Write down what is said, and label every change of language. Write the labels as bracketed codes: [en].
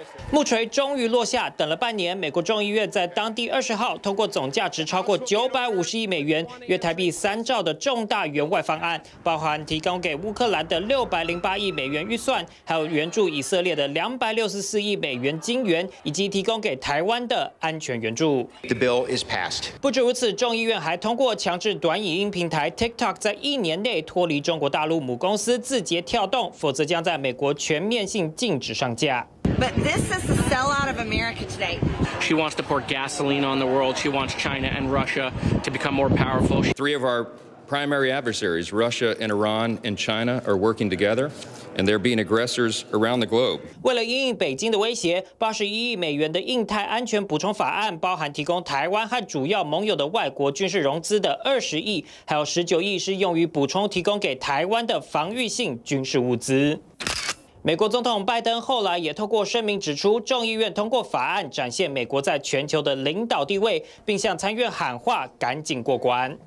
[zh] 木锤终于落下，等了半年，美国众议院在当地20号通过总价值超过950亿美元，约台币3兆的重大援外方案，包含提供给乌克兰的608亿美元预算，还有援助以色列的264亿美元金援，以及提供给台湾的安全援助。 [en] The bill is passed. [zh] 不止如此，众议院还通过强制短影音平台 TikTok 在1年内脱离中国大陆母公司字节跳动，否则将在美国全面性禁止上架。 [en] But this is the sellout of America today. She wants to pour gasoline on the world. She wants China and Russia to become more powerful. Three of our primary adversaries, Russia and Iran and China, are working together. And they're being aggressors around the globe. [zh] 为了因应北京的威胁，81亿美元的印太安全补充法案，包含提供台湾和主要盟友的外国军事融资的20亿，还有19亿是用于补充提供给台湾的防御性军事物资。美国总统拜登后来也透过声明指出，众议院通过法案，展现美国在全球的领导地位，并向参院喊话，赶紧过关。